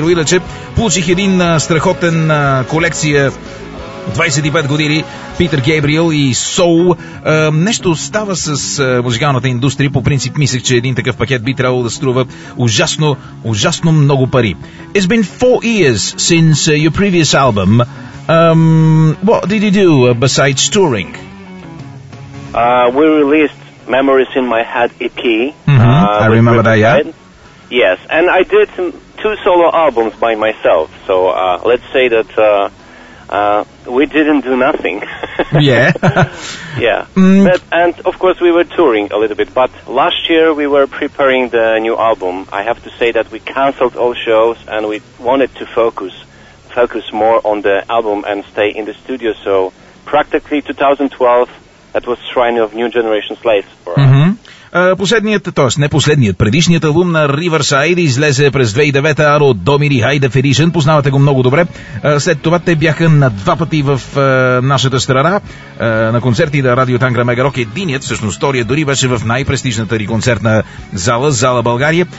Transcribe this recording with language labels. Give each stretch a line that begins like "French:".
Bulgarian: Но иначе получих един страхотен колекция 25 години, Питър Гейбриел и Soul. Нещо става с музикалната индустрия. По принцип мислех, че един такъв пакет би трябвало да струва ужасно, ужасно много пари.
English: It's been 4 years since your previous album. What did you do besides touring? We released Memories in My Head EP. Mm-hmm. I remember that, yeah. Yes, and I did two solo albums by myself. So let's say that we didn't do nothing. Yeah. Yeah. Mm. But, and of course we were touring a little bit, but last year we were preparing the new album. I have to say that we cancelled all shows and we wanted to focus more on the album and stay in the studio. So practically 2012, that was Shrine of New Generation Slaves for us.
Bulgarian: Mm-hmm. Последният, т.е. не последният, предишният албум на Riverside излезе през 2009, Aro Domini High Definition, познавате го много добре. След това те бяха на два пъти в нашата страна, на концерти на Радио Тангра Мегарок. Единият, всъщност втория, дори беше в най-престижната ни концертна зала, Зала България.